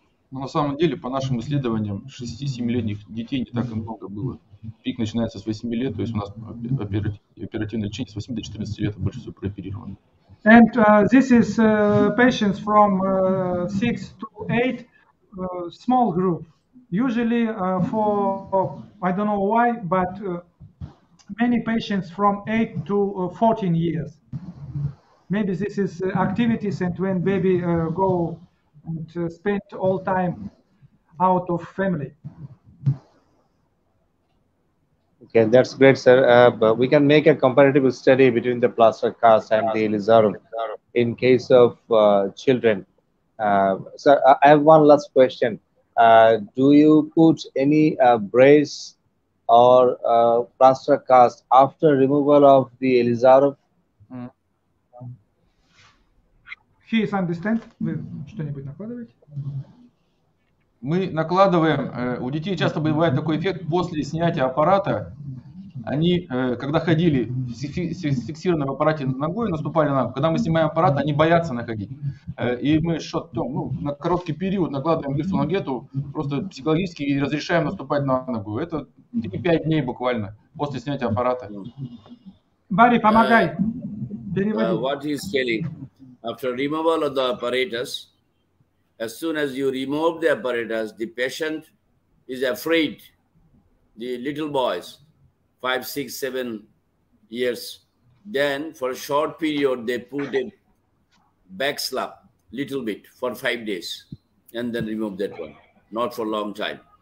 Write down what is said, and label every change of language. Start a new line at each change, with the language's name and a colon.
Russian: Но на самом деле, по нашим исследованиям, 6-7-летних детей не так и много было. Пик начинается с 8 лет, то есть у нас оперативное лечение с 8 до 14 лет больше всего прооперировано.
English: And this is patients from 6 to 8, small group. Usually for, I don't know why, but many patients from 8 to 14 years. Maybe this is activities and when baby go and spend all time out of family. Okay, that's great, sir. But we can make a comparative study between the plaster cast and the Ilizarov in case of children. Sir, I have one last question. Do you put any brace or plaster cast after removal of the Ilizarov? He is understand.
Russian: Что-нибудь накладывать? Мы накладываем, у детей часто бывает такой эффект, после снятия аппарата, они, когда ходили с фиксированным аппаратом ногой, наступали на ногу, когда мы снимаем аппарат, они боятся находить. И мы на короткий период накладываем гипс на ногу, просто психологически разрешаем наступать на ногу. Это 3-5 дней буквально после снятия аппарата. Барри, помогай.
English: What he is telling, after removal of the apparatus, as soon as you remove the apparatus, the patient is afraid. The little boys, 5, 6, 7 years, then for a short period, they put a back slap, little bit, for 5 days, and then remove that one, not for a long time.